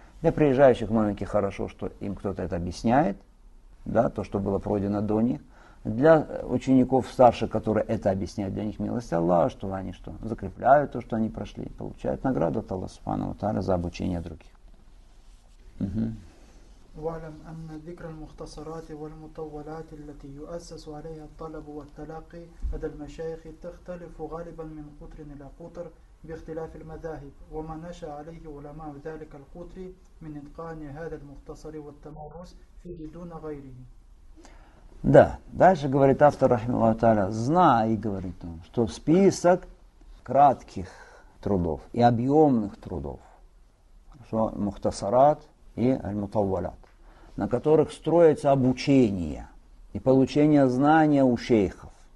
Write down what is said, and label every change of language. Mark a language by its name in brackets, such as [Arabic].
[Russian] Для приезжающих новеньких хорошо, что им кто-то это объясняет, да, то, что было пройдено до них. Для учеников старших, которые это объясняют, для них милость Аллаха, что они что, закрепляют то, что они прошли, получают награду от Аллаха Субхану Тааля за обучение других. Угу. [Arabic] واعلم أن ذكر المختصرات والمطولات التي يؤسس عليها الطلب والتلاقي لدى المشايخ تختلف غالبا من قطر إلى قطر باختلاف المذاهب وما نشأ عليه علماء ذلك القطر من إتقان هذا المختصر والتمرس فيه دون غيره. [Russian] Да, дальше говорит автор рахмаху тааля, знай, говорит он, что список кратких трудов и объемных трудов, что мухтасарат и аль-мутаввалят, на которых строится обучение и получение знания у шейхов.